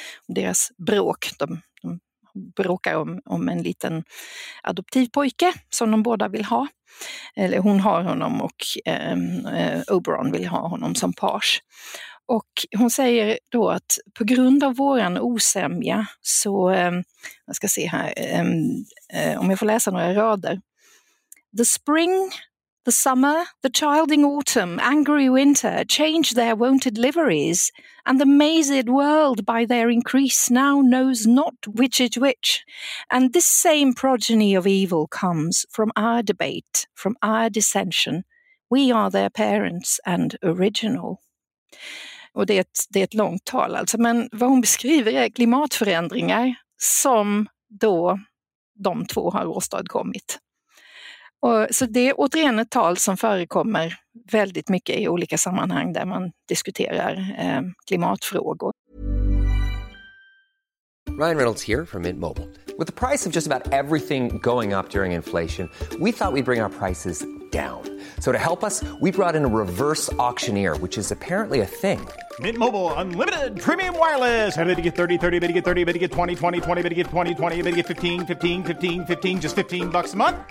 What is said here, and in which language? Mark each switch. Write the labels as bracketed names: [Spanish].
[Swedish] Deras bråk, bråkar om en liten adoptivpojke som de båda vill ha. Eller hon har honom och Oberon vill ha honom som page. Och hon säger då att på grund av våran osämja så, jag ska se här, om jag får läsa några rader. [English] The spring, the summer, the childing autumn, angry winter, change their wonted liveries, and the mazed world by their increase now knows not which is which. And this same progeny of evil comes from our debate, from our dissension. We are their parents and original. [Swedish] Och det är ett långt tal alltså, men vad hon beskriver är klimatförändringar som då de två har åstadkommit. Och så det är återigen ett tal som förekommer väldigt mycket i olika sammanhang där man diskuterar klimatfrågor. [English] Ryan Reynolds here from Mint Mobile. With the price of just about everything going up during inflation, we thought we'd bring our prices down. So to help us, we brought in a reverse auctioneer, which is apparently a thing. Mint Mobile Unlimited Premium Wireless. How to get 30, 30, how to get 30, how to get 20, 20, 20, how to get 20, 20, how to get 15, 15, 15, 15, just $15 a month?